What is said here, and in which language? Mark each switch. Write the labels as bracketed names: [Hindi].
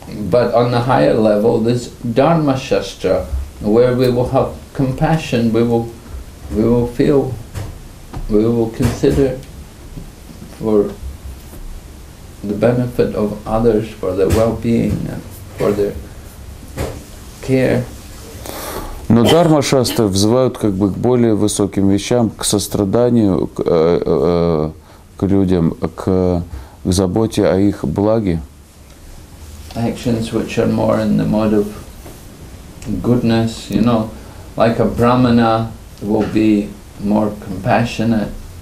[English] But on the higher level, this Dharma Shastra, where we will have compassion, we will feel, we will consider for the benefit of others, for their well-being, for their care. [Russian] Но дхарма шастры взывают как бы к более высоким вещам, к состраданию к людям, к заботе о их благе. [English] Actions which are more in the mode of goodness, you know, like a brahmana will be more compassionate.